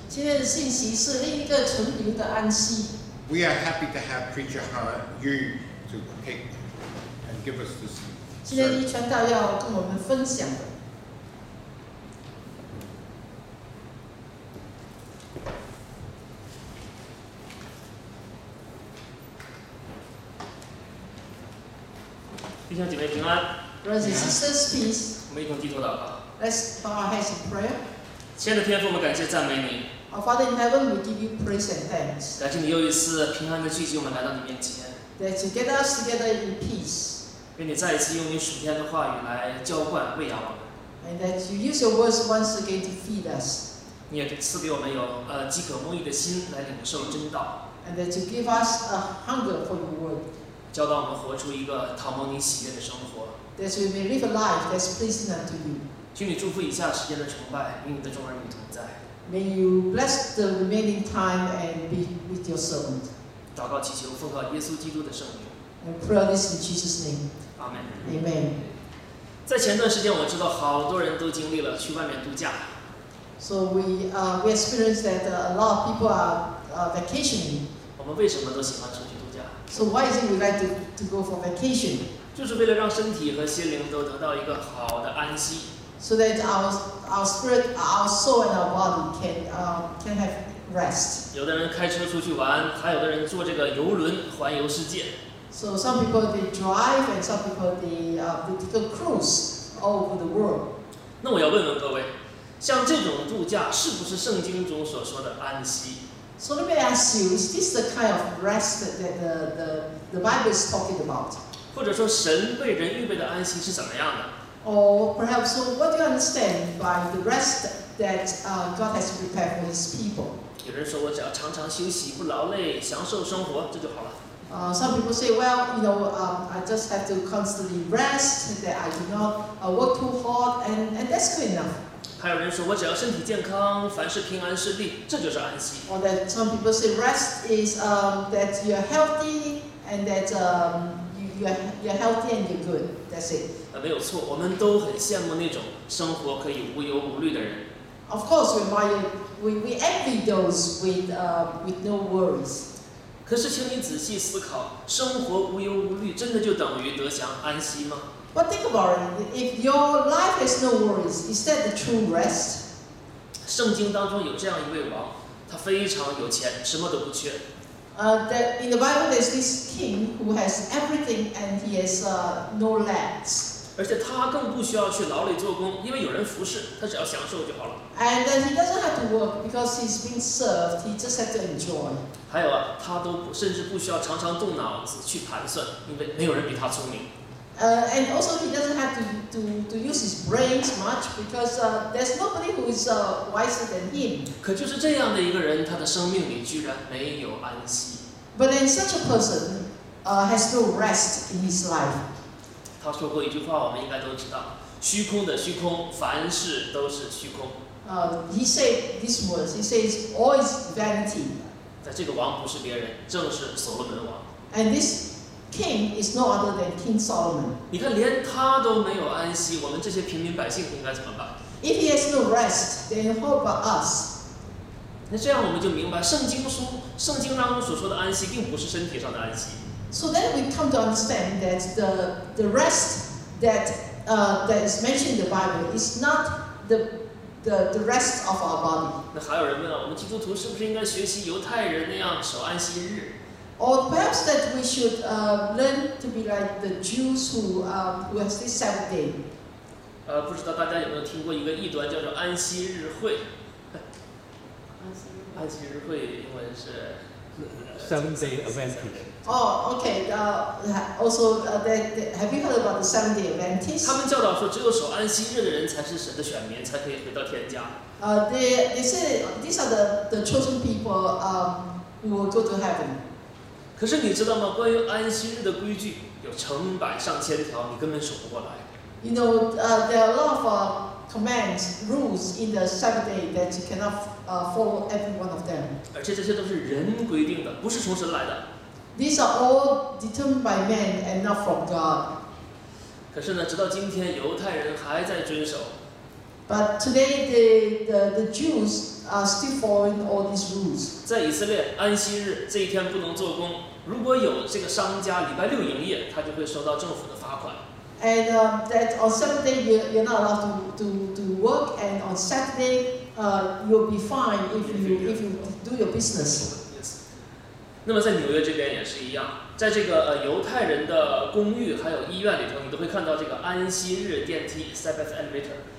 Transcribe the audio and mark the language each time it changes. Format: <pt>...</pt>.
<zh>今天的信息是另一个存留的安息。</zh> <en>We are happy to have Preacher Han Yu to take and give us this.</en> <zh>今天一传道要跟我们分享的。弟兄姐妹平安。</zh> <en>Brothers and sisters, peace.</en> <zh>我们一同低头祷告。</zh> <en>Let's bow our heads in prayer.</en> <zh>亲爱的天父，我们感谢赞美你。</zh> <en>Our Father in heaven, we give you praise and thanks.</en> <zh>感谢你又一次平安的聚集我们来到你面前。</zh> <en>That you gather us together in peace.</en> <zh>愿你再一次用你属天的话语来浇灌喂养我们。</zh> <en>And that you use your words once again to feed us.</en> <zh>你也赐给我们有饥渴慕义的心来领受真道。</zh> <en>And that you give us a hunger for your word.</en> <zh>教导我们活出一个讨蒙你喜悦的生活。</zh> <en>That we may live a life that's pleasing unto you.</en> <zh>请你祝福以下时间的崇拜，与你的众儿女同在。</zh> <en>May you bless the remaining time and be with your servant.</en> <zh>祷告祈求，奉靠耶稣基督的圣名。</zh> <en>I pray this in Jesus' name. Amen. Amen.</en> <zh>在前段时间，我知道好多人都经历了去外面度假。</zh> <en>So we experienced that a lot of people are vacationing.</en> <zh>我们为什么都喜欢出去度假</zh> <en>？So why is it we like to go for vacation？</en> <zh>就是为了让身体和心灵都得到一个好的安息。</zh> <en>So that our spirit, our soul, and our body can have rest.</en> <zh>有的人开车出去玩，还有的人坐这个游轮环游世界。</zh> <en>So some people they drive and some people they take a cruise all over the world.</en> <zh>那我要问问各位，像这种度假是不是圣经中所说的安息</zh> <en>？So let me ask you, is this the kind of rest that the Bible is talking about?</en> <zh>或者说神为人预备的安息是怎么样的</zh> <en>？Or perhaps so what do you understand by the rest that God has prepared for His people?</en> <zh>有人说我只要常常休息，不劳累，享受生活，这就好了。</zh> <en>Some people say, well, you know, I just have to constantly rest, that I do not work too hard, and that's good enough.</en> <zh>还有人说，我只要身体健康，凡事平安顺利，这就是安息。</zh> <en>Or that some people say rest is that you are healthy and that you are healthy and you're good. That's it.</en> <zh>没有错，我们都很羡慕那种生活可以无忧无虑的人。</zh> <en>Of course, we envy those with no worries.</en> <zh>可是，请你仔细思考，生活无忧无虑，真的就等于得享安息吗</zh> <en>？But think about it. If your life has no worries, is that the true rest?</en> <zh>圣经当中有这样一位王，他非常有钱，什么都不缺。</zh> <en>That in the Bible there's this king who has everything and he has no lacks.</en> <zh>而且他更不需要去劳累做工，因为有人服侍，他只要享受就好了。</zh> <en>And he doesn't have to work because he's being served. He just has to enjoy.</en> <zh>还有啊，他都甚至不需要常常动脑子去盘算，因为没有人比他聪明。</zh> <en>And also he doesn't have to use his brains much because there's nobody who is wiser than him.</en> <zh>可就是这样的一个人，他的生命里居然没有安息。</zh> <en>But then such a person has no rest in his life.</en> <zh>他说过一句话，我们应该都知道：虚空的虚空，凡事都是虚空。</zh> <en>He said these words. He says, "All is vanity."</en> <zh>在这个王不是别人，正是所罗门王。</zh> <en>And this king is no other than King Solomon.</en> <zh>你看，连他都没有安息，我们这些平民百姓应该怎么办</zh> <en>？If he has no rest, then how about us?</en> <zh>那这样我们就明白，圣经当中所说的安息，并不是身体上的安息。</zh> <en>So then we come to understand that the rest that is mentioned in the Bible is not the rest of our body.</en> <zh>那还有人问啊，我们基督徒是不是应该学习犹太人那样守安息日</zh> <en>？Or perhaps that we should learn to be like the Jews who have this seventh day.</en> <zh>不知道大家有没有听过一个异端叫做安息日会？安息日会英文是</zh> <en>Seventh Day Adventist. Oh, okay. Also, have you heard about the Seventh Day Adventists?</en> <zh>他们教导说，只有守安息日的人才是神的选民，才可以回到天家。</zh> <en>They say these are the chosen people who will go to heaven.</en> <zh>可是你知道吗？关于安息日的规矩有成百上千条，你根本守不过来。</zh> <en>You know, there are a lot of commands, rules in the Seventh Day that you cannot follow every one of them.</en> <zh>而且这些都是人规定的，不是从神来的。</zh> <en>These are all determined by man and not from God.</en> <zh>可是呢，直到今天，犹太人还在遵守。</zh> <en>But today the Jews are still following all these rules.</en> <zh>在以色列，安息日这一天不能做工。如果有这个商家礼拜六营业，他就会收到政府的罚款。</zh> <en>And that on seventh day you're not allowed to work, and on Saturday you'll be fine if you do your business.</en> <zh>那么在纽约这边也是一样，在这个犹太人的公寓还有医院里头，你都会看到这个安息日电梯 Sabbath elevator.</zh>